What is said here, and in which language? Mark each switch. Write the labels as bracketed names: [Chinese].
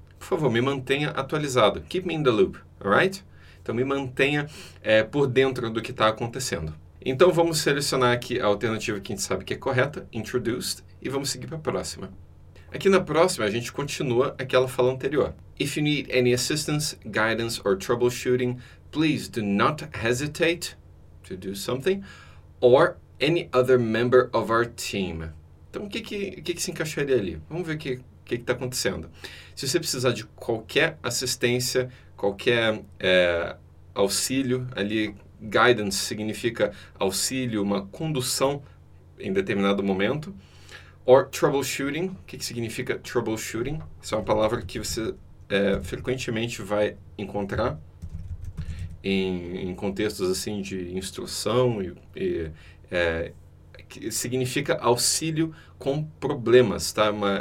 [Portuguese] Por favor, me mantenha atualizado. [English] Keep me in the loop, alright? [Portuguese] Então, me mantenha por dentro do que está acontecendo. Então, vamos selecionar aqui a alternativa que a gente sabe que é correta, introduced, e vamos seguir para a próxima. Aqui na próxima, a gente continua aquela fala anterior. [English] If you need any assistance, guidance or troubleshooting, please do not hesitate to do something, or any other member of our team. [Portuguese] Então, o que se encaixaria ali? Vamos ver o que está acontecendo. Se você precisar de qualquer assistência, qualquer auxílio ali, guidance significa auxílio, uma condução em determinado momento, Or troubleshooting. O que significa troubleshooting? Isso é uma palavra que você frequentemente vai encontrar em contextos assim de instrução que significa auxílio com problemas, tá?